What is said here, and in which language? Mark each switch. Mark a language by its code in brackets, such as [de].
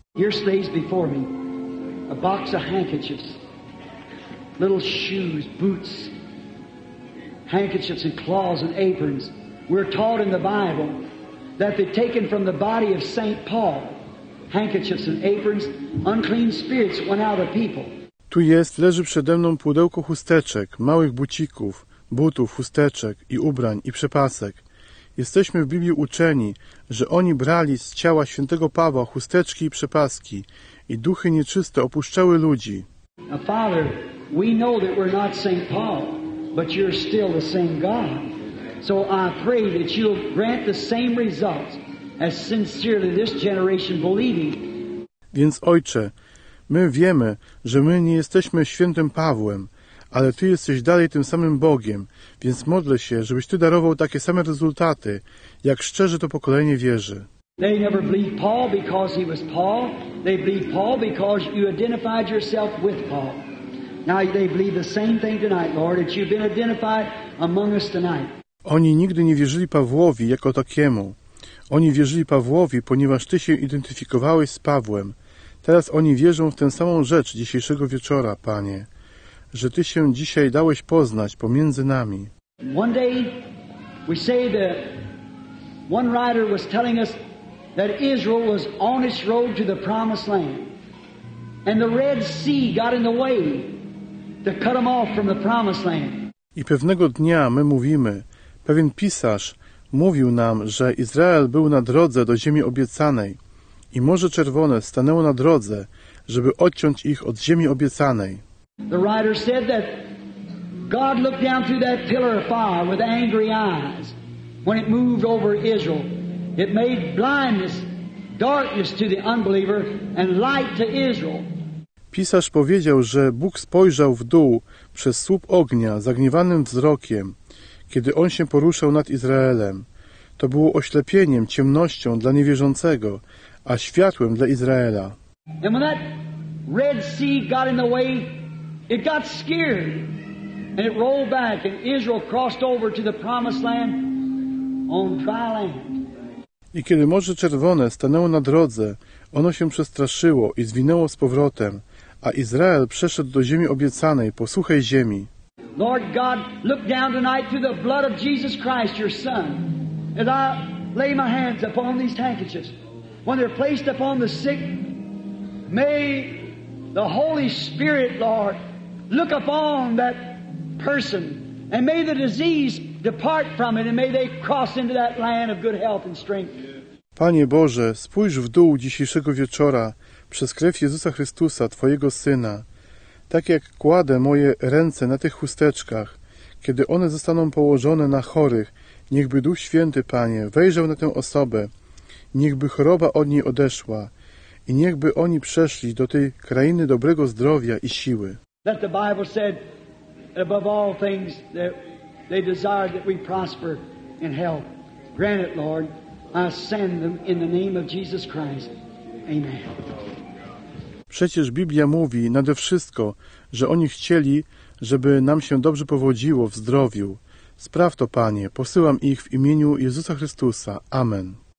[en] Here stays before me a box of handkerchiefs, little shoes, boots, handkerchiefs and claws and aprons. We're taught in the Bible that they've taken from the body of Saint Paul, handkerchiefs and aprons, unclean spirits went out of people. [pl] Tu jest, leży przede mną pudełko chusteczek, małych bucików, butów, chusteczek i ubrań i przepasek. Jesteśmy w Biblii uczeni, że oni brali z ciała świętego Pawła chusteczki i przepaski i duchy nieczyste opuszczały ludzi. [en] Now, Father, we know that we're not Saint Paul, but you're still the same God. So I pray that you'll grant the same results as sincerely this generation believing. [pl] Więc Ojcze, my wiemy, że my nie jesteśmy świętym Pawłem, ale Ty jesteś dalej tym samym Bogiem, więc modlę się, żebyś Ty darował takie same rezultaty, jak szczerze to pokolenie wierzy. [en] They never believed Paul because he was Paul. They believed Paul because you identified yourself with Paul. Now they believe the same thing tonight, Lord, that you've been identified among us tonight. [pl] Oni nigdy nie wierzyli Pawłowi jako takiemu. Oni wierzyli Pawłowi, ponieważ Ty się identyfikowałeś z Pawłem. Teraz oni wierzą w tę samą rzecz dzisiejszego wieczora, Panie, że Ty się dzisiaj dałeś poznać pomiędzy nami. [en] One day we say that one writer was telling us that Israel was on its road to the promised land and the Red Sea got in the way to cut them off from the promised land. [pl] I pewnego dnia my mówimy, pewien pisarz mówił nam, że Izrael był na drodze do ziemi obiecanej i Morze Czerwone stanęło na drodze, żeby odciąć ich od ziemi obiecanej. [en] The writer said that God looked down through that pillar of fire with angry eyes when it moved over Israel. It made blindness, darkness to the unbeliever and light to Israel. [pl] Pisarz powiedział, że Bóg spojrzał w dół przez słup ognia zagniewanym wzrokiem, kiedy on się poruszał nad Izraelem. To było oślepieniem, ciemnością dla niewierzącego, a światłem dla Izraela. [en] And when that Red Sea got in the way, it got scared and it rolled back and Israel crossed over to the promised land on dry land. [pl] I kiedy Morze Czerwone stanęło na drodze, ono się przestraszyło i zwinęło z powrotem, a Izrael przeszedł do ziemi obiecanej, po suchej ziemi. [en] Lord God, look down tonight through the blood of Jesus Christ, your Son, as I lay my hands upon these handkerchiefs. When they're placed upon the sick, may the Holy Spirit, Lord, look upon that person and may the disease depart from it and may they cross into that land of good health and strength. [pl] Panie Boże, spójrz w dół dzisiejszego wieczora przez krew Jezusa Chrystusa, Twojego Syna. Tak jak kładę moje ręce na tych chusteczkach, kiedy one zostaną położone na chorych, niechby Duch Święty, Panie, wejrzał na tę osobę, niechby choroba od niej odeszła i niechby oni przeszli do tej krainy dobrego zdrowia i siły. [en] That the Bible said above all things that they desire that we prosper in health. Grant it, Lord. I send them in the name of Jesus Christ. Amen. [pl] Przecież Biblia mówi nade wszystko, że oni chcieli, żeby nam się dobrze powodziło w zdrowiu. Spraw to, Panie. Posyłam ich w imieniu Jezusa Chrystusa. Amen.